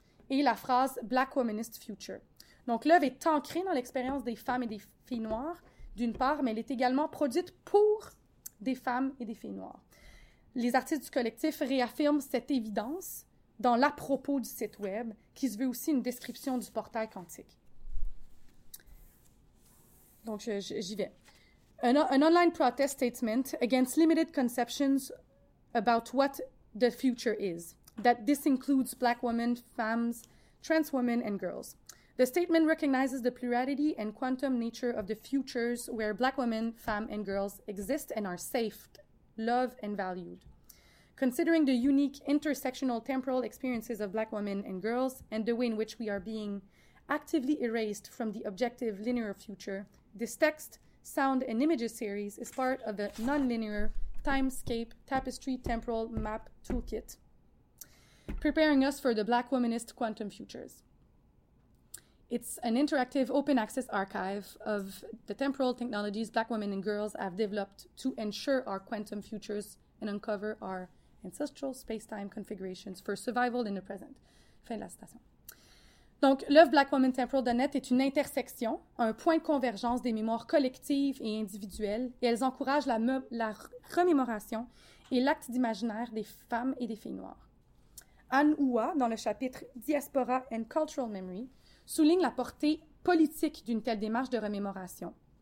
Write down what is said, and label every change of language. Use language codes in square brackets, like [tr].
[fr] Et la phrase « [en] Black Womanist Future [fr] ». Donc, l'œuvre est ancrée dans l'expérience des femmes et des filles noires, d'une part, mais elle est également produite pour des femmes et des filles noires. Les artistes du collectif réaffirment cette évidence dans l'à-propos du site web, qui se veut aussi une description du portail quantique. Donc, j'y vais. [en] An online protest statement against limited conceptions about what the future is. That this includes black women, femmes, trans women, and girls. The statement recognizes the plurality and quantum nature of the futures where black women, femmes, and girls exist and are saved, loved, and valued. Considering the unique intersectional temporal experiences of black women and girls and the way in which we are being actively erased from the objective linear future, this text, sound, and images series is part of the nonlinear timescape tapestry temporal map toolkit. Preparing us for the Black Womanist Quantum Futures. It's an interactive open access archive of the temporal technologies black women and girls have developed to ensure our quantum futures and uncover our ancestral space-time configurations for survival in the present. [fr] Fin de la citation. Donc, l'œuvre BlackWomanTemporal.net est une intersection, un point de convergence des mémoires collectives et individuelles, et elles encouragent la remémoration et l'acte d'imaginaire des femmes et des filles noires. Anne Houa, dans le chapitre « Diaspora and Cultural Memory », souligne la portée politique d'une telle démarche de remémoration.